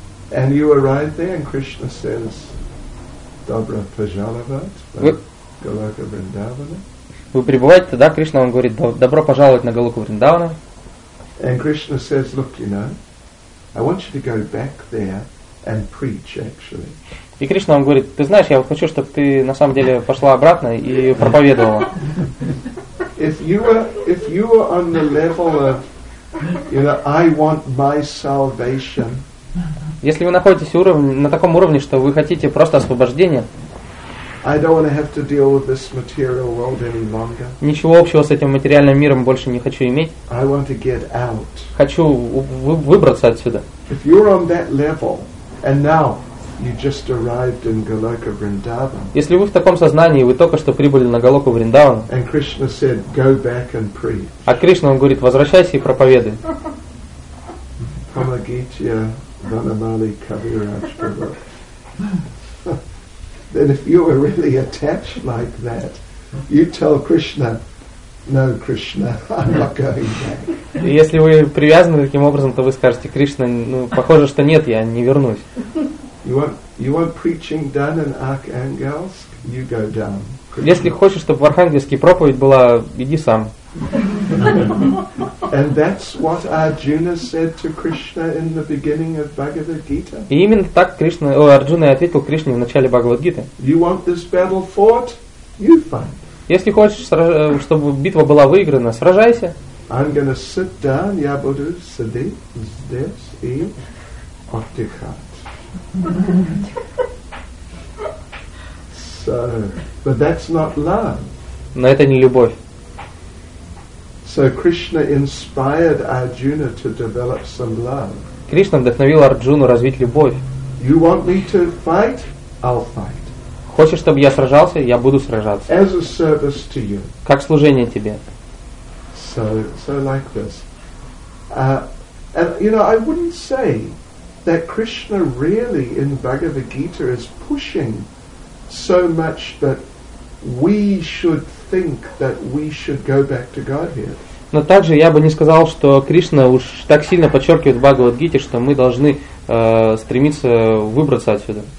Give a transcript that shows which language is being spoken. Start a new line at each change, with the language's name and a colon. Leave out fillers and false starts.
English: And you arrive there, and Krishna says,
Russian: "Dobro pozhalovat,
English: Goloka Vrindavana."
Russian: Вы прибываете туда, Кришна вам говорит, добро пожаловать на Голоку Вриндавана.
English: And Krishna says, "Look, you know, I want you to go back there and preach, actually."
Russian: И Кришна вам говорит, ты знаешь, я вот хочу, чтобы ты на самом деле пошла обратно и проповедовала.
English: If you were on the level of, you know, I want my salvation.
Russian: Если вы находитесь на таком уровне, что вы хотите просто освобождение,
English: I don't want to have to deal with this material world any longer.
Russian: Ничего общего с этим материальным миром больше не хочу иметь.
English: I want to get out.
Russian: Хочу выбраться отсюда.
English: If you're on that level, and now you just arrived in Goloka Vrindavan.
Russian: Если вы в таком сознании, вы только что прибыли на Голоку Вриндаван.
English: And Krishna said, "Go back and preach."
Russian: А Кришна вам говорит, возвращайся и проповедуй. Помогите Ванамали Кавирадж Прабху.
English: Then if you were really attached like that, you tell Krishna, "No, Krishna, I'm not going back."
Russian: Если вы привязаны таким образом, то вы скажете, Кришна, ну похоже, что нет, я не вернусь.
English: You want preaching done in Arkhangelsk? You go down.
Russian: Если хочешь, чтобы в Архангельске проповедь была, иди сам.
English: And that's what Arjuna said to Krishna in the beginning of Bhagavad Gita.
Russian: И именно так Кришна, Арджуна ответил Кришне в начале Бхагавад-гиты.
English: You want this battle fought? You fight.
Russian: Если хочешь, чтобы битва была выиграна, сражайся.
English: I'm gonna sit down,
Russian: я буду сидеть здесь и отдыхать.
English: So, but that's not love.
Russian: Но это не любовь.
English: So Krishna inspired Arjuna to develop some love.
Russian: Кришна вдохновил Арджуну развить любовь.
English: You want me to fight? I'll fight.
Russian: Хочешь, чтобы я сражался? Я буду сражаться.
English: As a service to you.
Russian: Как служение тебе.
English: So like this. And you know, I wouldn't say that Krishna really in Bhagavad Gita is pushing so much that we should think that we should go back to Godhead.
Russian: Но также я бы не сказал, что Кришна уж так сильно подчеркивает в Бхагавад-гите, что мы должны стремиться выбраться отсюда.